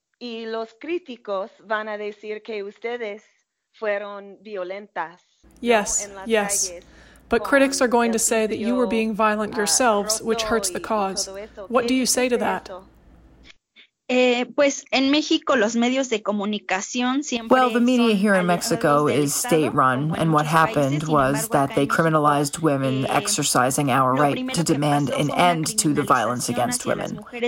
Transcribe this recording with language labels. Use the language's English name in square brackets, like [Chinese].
[Spanish] Y los críticos van a decir que ustedes fueron violentas. [English] Yes, yes. But critics are going to say that you were being violent yourselves, which hurts the cause. What do you say to that? [Spanish] Pues en México los medios de comunicación siempre. [English] Well, the media here in Mexico is state-run, and what happened was that they criminalized women exercising our right to demand an end to the violence against women.